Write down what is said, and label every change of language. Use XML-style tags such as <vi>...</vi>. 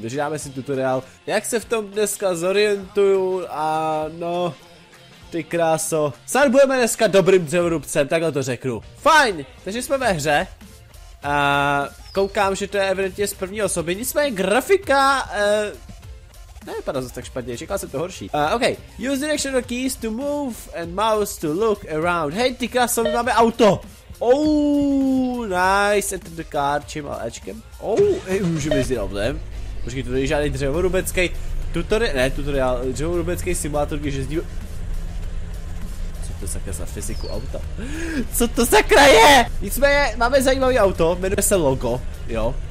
<cs>Takže dáme si tutoriál, jak se v tom dneska zorientuju a no, ty kráso. Snad budeme dneska dobrým dřevorubcem, takhle to řeknu. Fajn, takže jsme ve hře. A koukám, že to je evidentně z první osoby, nicméně grafika... Nevypadá zase tak špatně, čekal jsem to horší.</cs> <en>Okay. Use directional keys to move and mouse to look around.</en> <cs>Hej, ty krásno, my máme auto.</cs> <en>Oh, nice. Enter the car,</en> <cs>čím a ečkem. Oh, hej, můžeme jezdit autem. Počkej, to není žádný dřevorubecký tutoriál, ne tutoriál, dřevorubecký simulátor, když jezdí... Co to sakra za fyziku auta? Co to sakra je? Nicméně, máme zajímavý auto, jmenuje se Logo, jo.</cs>